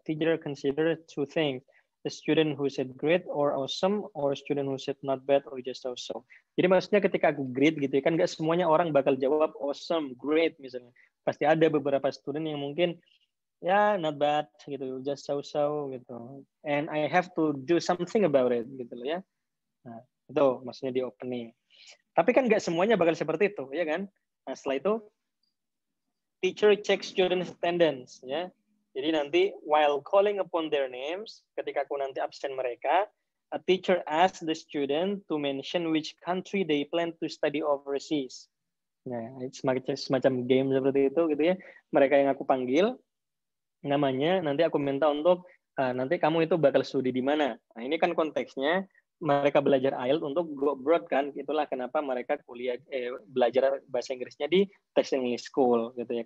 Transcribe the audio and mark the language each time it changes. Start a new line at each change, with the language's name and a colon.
English: Teacher consider two things, a student who said great or awesome, or a student who said not bad or just so-so.
Indonesian: Jadi maksudnya ketika aku great gitu ya, kan nggak semuanya orang bakal jawab awesome, great misalnya. Pasti ada beberapa student yang mungkin ya not bad gitu, just so-so gitu.
English: And I have to do something about it
Indonesian: gitu loh ya. Nah, itu maksudnya di opening. Tapi kan nggak semuanya bakal seperti itu ya kan. Nah, setelah itu
English: teacher check student's attendance
Indonesian: ya.
English: Jadi nanti while calling upon their names,
Indonesian: ketika aku nanti absen mereka,
English: a teacher asks the student to mention which country they plan to study overseas.
Indonesian: Nah, it's semacam game seperti itu gitu ya. Mereka yang aku panggil namanya, nanti aku minta untuk nanti kamu itu bakal studi di mana. Nah, ini kan konteksnya mereka belajar IELTS untuk go abroad kan. Itulah kenapa mereka belajar bahasa Inggrisnya di Test English School gitu ya.